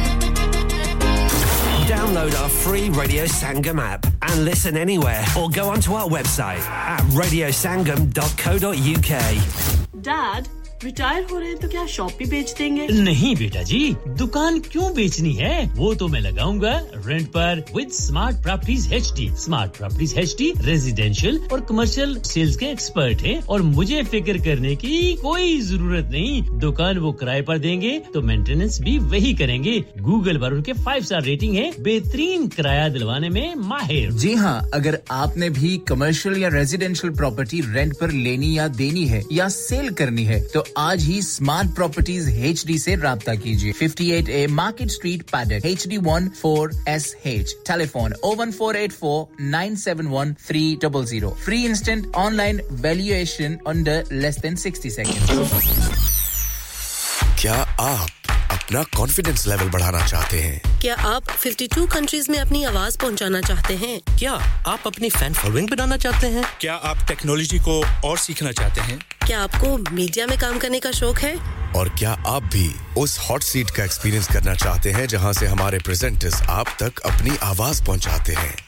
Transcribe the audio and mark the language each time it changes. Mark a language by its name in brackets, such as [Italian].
[English] download our free Radio Sangam app and listen anywhere or go onto our website at radiosangam.co.uk. [Hindi] Dad, retire हो रहे हैं तो क्या shop भी बेच देंगे? नहीं बेटा जी, दुकान क्यों बेचनी है? वो तो मैं लगाऊंगा रेंट पर with Smart Properties HD. Smart Properties HD residential और commercial sales के expert हैं और मुझे फिकर करने की कोई ज़रूरत नहीं. दुकान वो किराए पर देंगे तो maintenance भी वही करेंगे. Google पर उनके 5-star rating है, बेहतरीन किराया दिलवाने में माहिर. जी हाँ, अगर आपने भी commercial या residential property rent पर लेनी या देनी है या sell करनी है तो आज ही Smart Properties HD से राब्ता कीजिए. [English] 58A Market Street Paddock, HD14SH. Telephone 01484-971-300. Free instant online valuation under less than 60 seconds. [Hindi] क्या आप अपना confidence level बढ़ाना चाहते हैं? क्या आप 52 countries में अपनी आवाज़ पहुंचाना चाहते हैं? क्या आप अपनी fan following बनाना चाहते हैं? क्या आप technology को और सीखना चाहते हैं? क्या आपको मीडिया में काम करने का शौक है? और क्या आप भी उस हॉट सीट का एक्सपीरियंस करना चाहते हैं जहां से हमारे प्रेजेंटर्स आप तक अपनी आवाज पहुंचाते हैं?